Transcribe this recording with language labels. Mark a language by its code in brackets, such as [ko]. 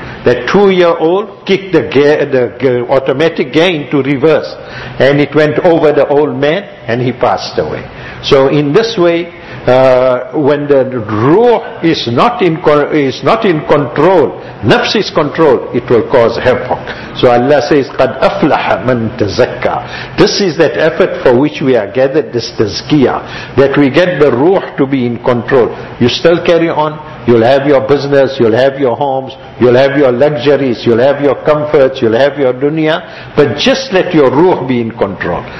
[en] That 2-year-old kicked the automatic gear into reverse, and it went over the old man, and he passed away. So in this way, when the ruh is not in control, nafs is control, it will cause havoc. So Allah says, [ar] قَدْ أَفْلَحَ مَنْ تَزَكَى. [en] This is that effort for which we are gathered, this tazkiyah, that we get the ruh to be in control. You still carry on, you'll have your business, you'll have your homes, you'll have your luxuries, you'll have your comforts, you'll have your dunya, but just let your ruh be in control.